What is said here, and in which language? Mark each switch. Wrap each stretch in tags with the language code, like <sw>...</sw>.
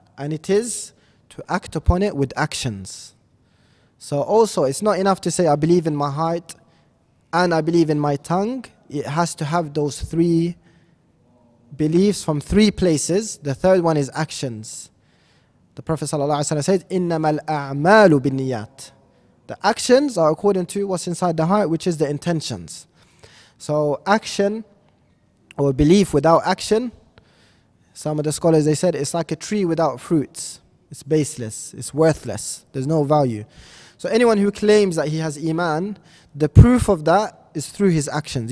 <en>And it is to act upon it with actions. So also, it's not enough to say, I believe in my heart and I believe in my tongue. It has to have those three beliefs from three places. The third one is actions. The Prophet ﷺ says,</en> <ar>إِنَّمَا الْأَعْمَالُ بِالنِّيَّاتِ.</ar> <en>The actions are according to what's inside the heart, which is the intentions. So action or belief without action, some of the scholars, they said, it's like a tree without fruits. It's baseless. It's worthless. There's no value. So anyone who claims that he has iman, the proof of that is through his actions.</en>